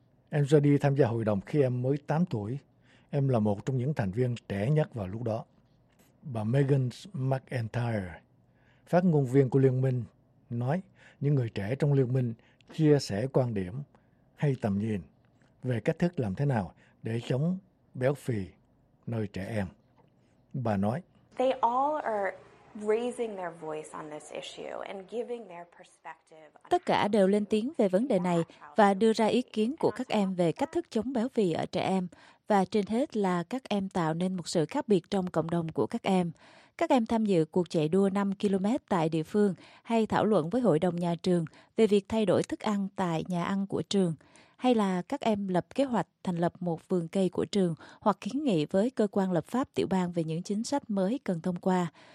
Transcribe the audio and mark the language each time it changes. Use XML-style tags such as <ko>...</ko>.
<vi>Em Jody tham gia hội đồng khi em mới 8 tuổi. Em là một trong những thành viên trẻ nhất vào lúc đó. Bà Megan McIntyre, phát ngôn viên của Liên minh, nói những người trẻ trong Liên minh chia sẻ quan điểm hay tầm nhìn về cách thức làm thế nào để chống béo phì nơi trẻ em. Bà nói:</vi> <en>"They all are raising their voice on this issue and giving their perspective."</en> <vi>Tất cả đều lên tiếng về vấn đề này và đưa ra ý kiến của các em về cách thức chống béo phì ở trẻ em, và trên hết là các em tạo nên một sự khác biệt trong cộng đồng của các em. Các em tham dự cuộc chạy đua 5 km tại địa phương hay thảo luận với hội đồng nhà trường về việc thay đổi thức ăn tại nhà ăn của trường, hay là các em lập kế hoạch thành lập một vườn cây của trường hoặc kiến nghị với cơ quan lập pháp tiểu bang về những chính sách mới cần thông qua.</vi>